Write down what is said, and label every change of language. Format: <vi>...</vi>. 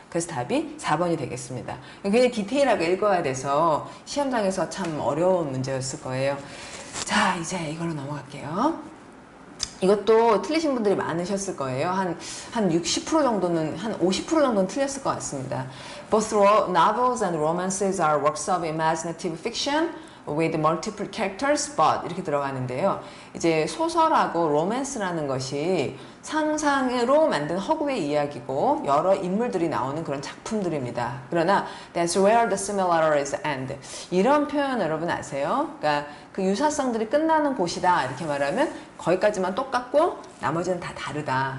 <ko>그래서 답이 4번이 되겠습니다. 굉장히 디테일하게 읽어야 돼서, 시험장에서 참 어려운 문제였을 거예요. 자, 이제 이걸로 넘어갈게요. 이것도 틀리신 분들이 많으셨을 거예요. 한 60% 정도는, 한 50% 정도는 틀렸을 것 같습니다.</ko> <en>Both novels and romances are works of imaginative fiction with multiple characters, but</en> <ko>이렇게 들어가는데요. 이제 소설하고 로맨스라는 것이 상상으로 만든 허구의 이야기고 여러 인물들이 나오는 그런 작품들입니다. 그러나</ko> <en>that's where the similarities end.</en> <ko>이런 표현 여러분 아세요? 그러니까 그 유사성들이 끝나는 곳이다 이렇게 말하면 거기까지만 똑같고 나머지는 다 다르다.</ko>